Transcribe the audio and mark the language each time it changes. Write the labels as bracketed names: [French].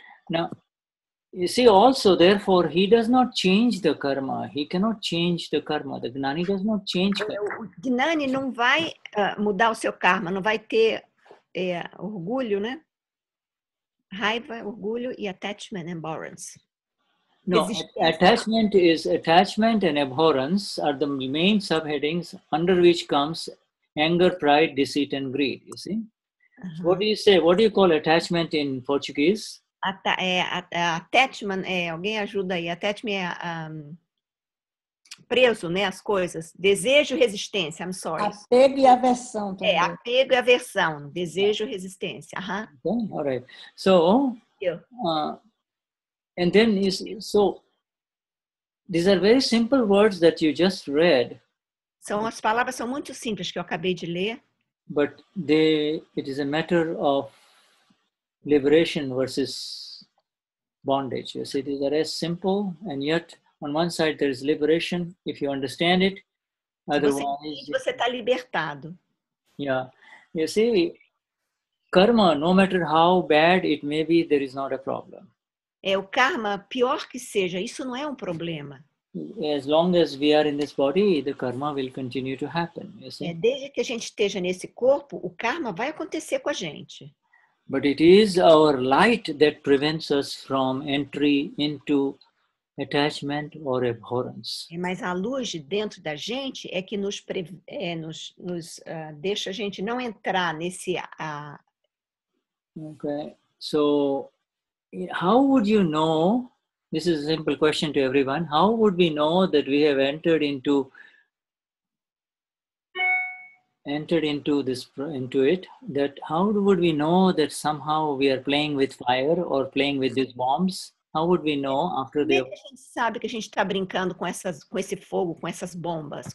[English] Now, you see also, therefore, he does not change the karma. He cannot change the karma. The Gnani does not change karma. [Portuguese] O Gnani não vai mudar o seu karma, não vai ter orgulho, né? Raiva, orgulho e [English] attachment and abhorrence. No, attachment is attachment and abhorrence are the main subheadings under which comes anger, pride, deceit and greed, you see? Uh-huh. What do you say? What do you call attachment in Portuguese? [Portuguese] Attachment, alguém ajuda aí. Attachment é preso, né, as coisas. Desejo, resistência, [English] I'm sorry. [Portuguese] Apego e aversão também. É, apego e aversão. Desejo, resistência. [English] Uh-huh. Okay, all right. So, and then, so, these are very simple words that you just read. [Portuguese] As palavras são muito simples que eu acabei de ler. [English] But it is a matter of liberation versus bondage. You see, these are as simple, and yet on one side there is liberation if you understand it. Otherwise, [Portuguese] você está libertado. [English] Yeah, you see, karma, no matter how bad it may be, there is not a problem. [Portuguese] É o karma, pior que seja, isso não é um problema. [English] As long as we are in this body, the karma will continue to happen. You see, [Portuguese] desde que a gente esteja nesse corpo, o karma vai acontecer com a gente. [English] But it is our light that prevents us from entry into attachment or abhorrence. [Portuguese] Mas a luz dentro da gente é que deixa a gente não entrar nesse... [English] Okay, so how would you know, this is a simple question to everyone, how would we know that we have entered into it, that how would we know that somehow we are playing with fire or playing with these bombs? How would we know after the... [Portuguese] Como é que a gente sabe que a gente está brincando com esse fogo, com essas bombas?